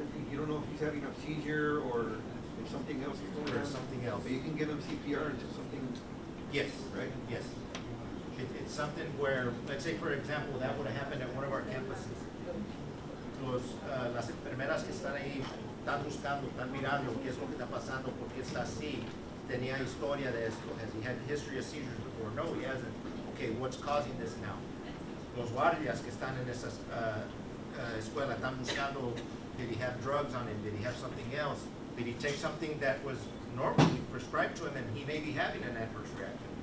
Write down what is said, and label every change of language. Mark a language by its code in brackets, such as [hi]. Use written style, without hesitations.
[en] You don't know if he's having a seizure or if something else is going on. Or something else. But you can give him CPR until something. Yes. Right? Yes. It's something where, let's say for example, that would have happened at one of our campuses. [es] Los, las enfermeras que están ahí están buscando, están mirando qué es lo que está pasando, por qué está así. Tenía historia de esto. [en] Has he had history of seizures before? No, he hasn't. Okay, what's causing this now? [es] Los guardias que están en esa escuela están buscando, [en] did he have drugs on him? Did he have something else? Did he take something that was normally prescribed to him and he may be having an adverse reaction?